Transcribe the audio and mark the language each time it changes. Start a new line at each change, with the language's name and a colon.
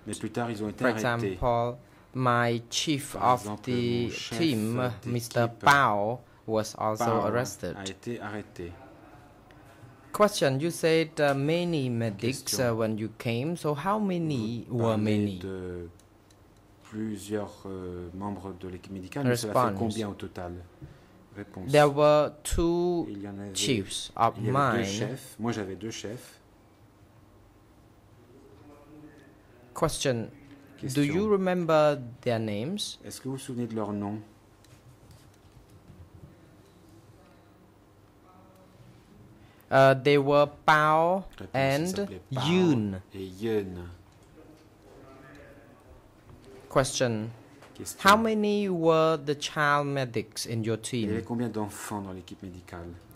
French: Mais plus tard, ils ont été
English: For
French: arrêtés.
English: Example, My chief of the team, Mr. Bao, was also arrested.
French: A été arrêté.
English: Question, you said many medics when you came, so how many were many?
French: De plusieurs membres de l'équipe médicale, mais cela fait combien au total? Réponse.
English: There were two chiefs of mine.
French: Moi j'avais deux chefs.
English: Question. Do you remember their names?
French: Est-ce que vous vous souvenez de leurs noms?
English: They were Bao and Yun.
French: Et Yun.
English: Question. How many were the child medics in your team?
French: Il y avait combien d'enfants dans l'équipe médicale?